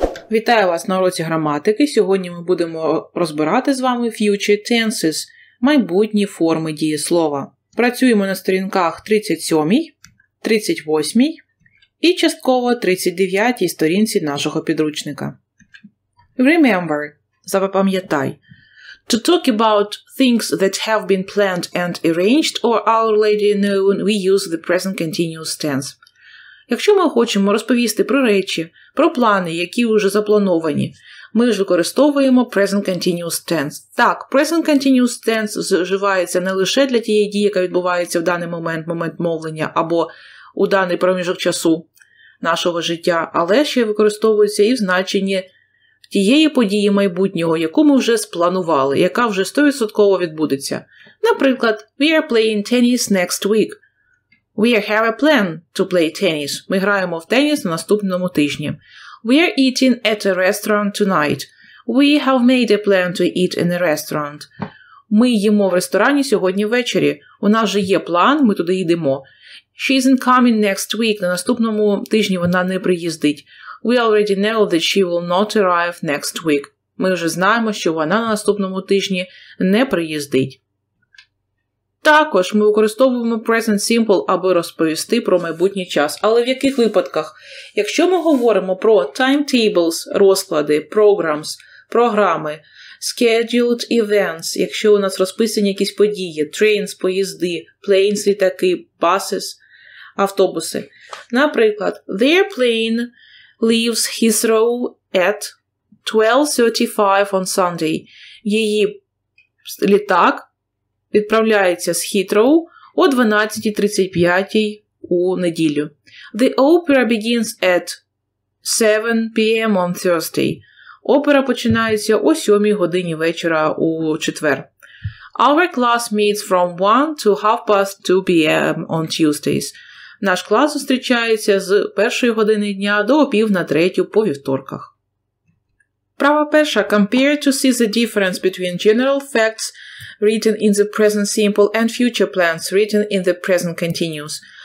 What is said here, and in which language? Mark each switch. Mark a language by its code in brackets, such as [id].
[uk] Вітаю вас на уроці граматики. Сьогодні ми будемо розбирати з вами future tenses, майбутні форми дієслова. Працюємо на сторінках 37, 38 і частково 39 сторінці нашого підручника. [en] Remember. [uk] Запам'ятай. [en] To talk about things that have been planned and arranged or already known, we use the present continuous tense. [uk] Якщо ми хочемо розповісти про речі, про плани, які вже заплановані, ми ж використовуємо present continuous tense. Так, present continuous tense вживається не лише для тієї дії, яка відбувається в даний момент, момент мовлення, або у даний проміжок часу нашого життя, але ще використовується і в значенні тієї події майбутнього, яку ми вже спланували, яка вже 100% відбудеться. Наприклад, [en] we are playing tennis next week. We have a plan to play tennis. [uk] Ми граємо в теніс на наступному тижні. [en] We are eating at a restaurant tonight. We have made a plan to eat in a restaurant. [uk] Ми їмо в ресторані сьогодні ввечері. У нас же є план, ми туди йдемо. [en] She isn't coming next week. [uk] На наступному тижні вона не приїздить. [en] We already know that she will not arrive next week. [uk] Ми вже знаємо, що вона на наступному тижні не приїздить. Також ми використовуємо present simple, аби розповісти про майбутній час. Але в яких випадках? Якщо ми говоримо про timetables, розклади, programs, програми, scheduled events, якщо у нас розписані якісь події, trains, поїзди, planes, літаки, buses, автобуси. Наприклад, [en] the airplane leaves Heathrow at 12:35 on Sunday. [uk] Її літак відправляється з Heathrow о 12:35 у неділю. [en] The opera begins at 7 p.m. on Thursday. [uk] Опера починається о 7 годині вечора у четвер. [en] Our class meets from 1 to 2:30 p.m. on Tuesdays. [uk] Наш клас зустрічається з першої години дня до пів на третю по вівторках. Права перша. [en] Compare to see the difference between general facts written in the present simple and future plans written in the present continuous.